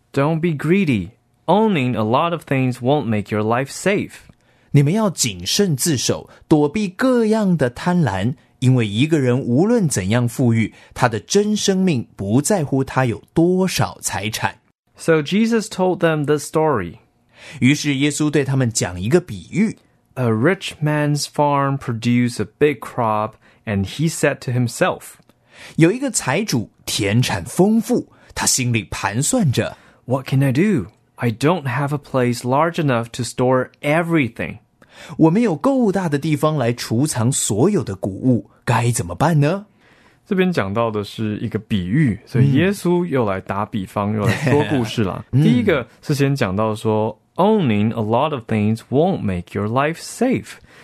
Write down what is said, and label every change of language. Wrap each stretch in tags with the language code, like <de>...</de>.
<en>Don't be greedy. Owning a lot of things won't make your life safe.</en> <zh>你们要谨慎自守，躲避各样的贪婪，因为一个人无论怎样富裕，他的真生命不在乎他有多少财产。</zh> <en>So Jesus told them the story.</en> <zh>于是耶稣对他们讲一个比喻。</zh> <en>A rich man's farm produced a big crop, and he said to himself,</en> <zh>有一个财主田产丰富，他心里盘算着，</zh> <en>What can I do? I don't have a place large enough to store everything.</en> <zh>我没有够大的地方来储藏所有的谷物，该怎么办呢？这边讲到的是一个比喻，所以耶稣又来打比方，又来说故事了。第一个是先讲到说，</zh> <en>owning a lot of things won't make your life safe.</en>